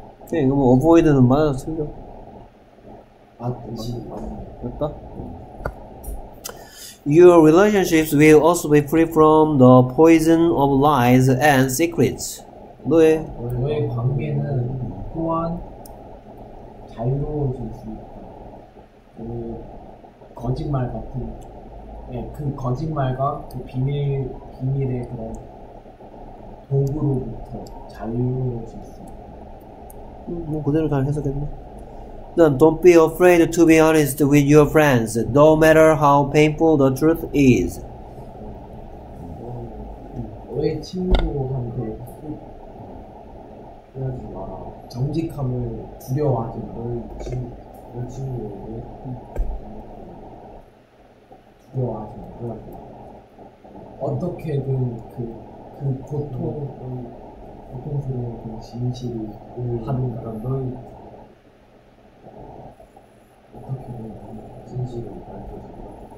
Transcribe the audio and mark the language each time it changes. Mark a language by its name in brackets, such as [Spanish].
[Korean] 네, 그럼 어버이드는 맞아 틀려. 맞지. 맞다. [English] Your relationships will also be free from the poison of lies and secrets. [Korean] 너의 관계는 또한 자유로워질 수 있다. 거짓말 같은, 예, 그 거짓말과 그 비밀의 그런 도구로부터 자유로워질 수 있다. 뭐 그대로 잘 해석했네. [English] Then don't be afraid to be honest with your friends, no matter how painful the truth is. [Korean] 너의 친구한테 그러지 마라. 정직함을 두려워하지 말고 친구를 두려워하지 말고 어떻게든 그 고통스러운 그 진실을 하는 사람은 어떻게든 진실을 밝혀줄까